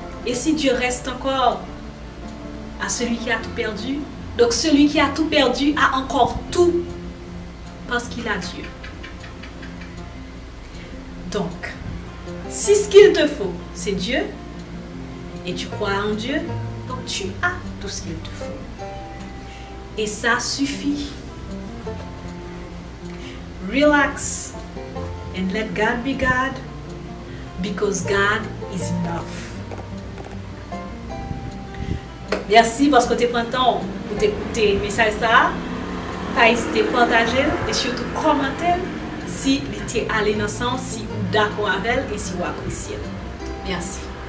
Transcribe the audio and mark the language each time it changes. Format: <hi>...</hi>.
<fr>Et si Dieu reste encore à celui qui a tout perdu, donc celui qui a tout perdu a encore tout parce qu'il a Dieu. Donc, si ce qu'il te faut, c'est Dieu, et tu crois en Dieu, donc tu as tout ce qu'il te faut. Et ça suffit.</fr> <en>Relax and let God be God, because God is enough.</en> <fr>Merci parce que tu prends le temps pour t'écouter le message. N'hésitez pas à partager et surtout commenter si tu es allé dans le sens, si d'accord avec elle et si vous appréciez. Merci.</fr>